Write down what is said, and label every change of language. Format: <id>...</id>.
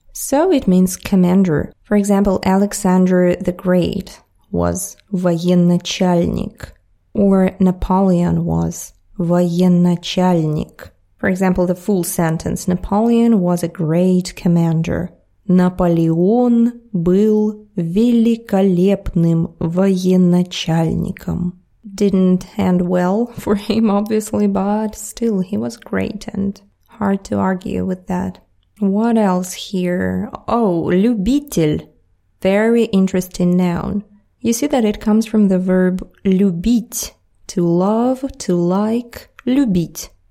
<en>So it means commander. For example, Alexander the Great was военачальник. Or Napoleon was военачальник. For example, the full sentence, Napoleon was a great commander.</en> <ru>Наполеон был великолепным военачальником.</ru> <en>Didn't end well for him, obviously, but still, he was great and hard to argue with that. What else here? Oh, любитель. Very interesting noun. You see that it comes from the verb любить, to love, to like, любить.</en>